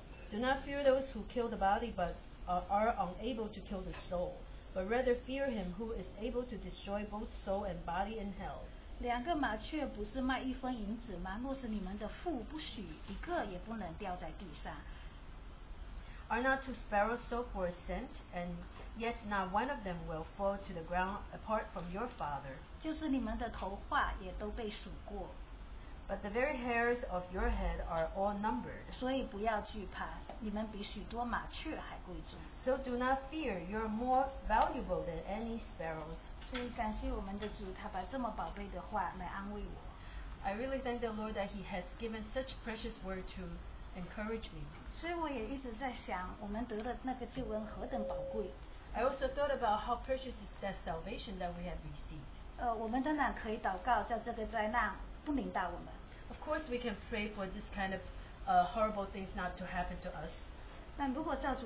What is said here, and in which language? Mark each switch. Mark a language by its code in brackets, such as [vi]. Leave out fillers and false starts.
[en] Do not fear those who kill the body but are unable to kill the soul, but rather fear him who is able to destroy both soul and body in hell. [zh] 两个麻雀不是卖一分银子吗?若是你们的父不许一个也不能掉在地上。 [en] Are not two sparrows sold for a cent, and yet not one of them will fall to the ground apart from your Father? [zh] 就是你们的头发也都被数过。 [en] But the very hairs of your head are all numbered. [zh] 所以不要惧怕, 你们比许多麻雀还贵重。 [en] So do not fear, you're more valuable than any sparrows. [zh] 所以感谢我们的主, 祂把这么宝贝的话来安慰我。 [en] I really thank the Lord that He has given such precious word to encourage me. [zh] 所以我也一直在想, 我们得的那个救恩何等宝贵。 [en] I also thought about how precious is that salvation that we have received. [zh] 我们当然可以祷告, 叫这个灾难。 [en] Of course, we can pray for this kind of horrible things not to happen to us.